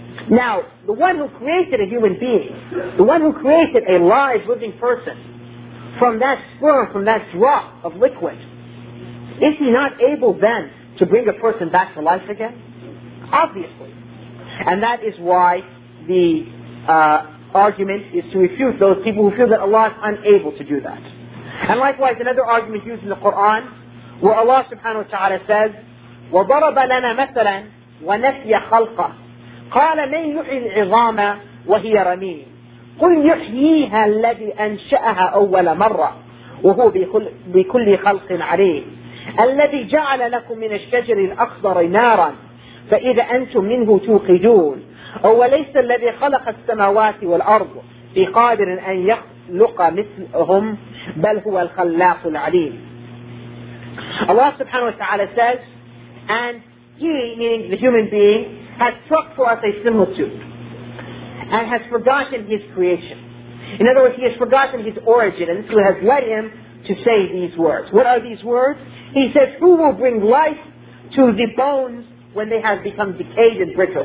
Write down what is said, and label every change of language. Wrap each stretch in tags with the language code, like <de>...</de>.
<en>Now, the one who created a human being, the one who created a live, living person from that sperm, from that drop of liquid, is he not able then to bring a person back to life again? Obviously. And that is why the argument is to refute those people who feel that Allah is unable to do that. And likewise, another argument used in the Quran, where Allah subhanahu wa ta'ala says,</en> <ar>وَضَرَبَ لَنَا مَثَلًا وَنَفْيَ خَلْقًا قَالَ مَنْ يُحْيِي الْعِظَامَ وَهِيَ رَمِيمٌ قُلْ يُحْيِيهَا الَّذِي أَنْشَأَهَا أَوَّلَ مَرَّةٍ وَهُوَ بِكُلِّ خَلْقٍ عَلِيمٌ الذي جعل لكم من الشجر الأخضر نارا فإذا أنتم منه توقدون أوليس الذي خلق السماوات والأرض بقادر أن يخلق مثلهم بل هو الخلاق العليم.</ar> <en>Allah subhanahu wa ta'ala says, and he, meaning the human being, has struck for us a similitude and has forgotten his creation. In other words, he has forgotten his origin, and this has led him to say these words. What are these words? He says, who will bring life to the bones when they have become decayed and brittle?</en>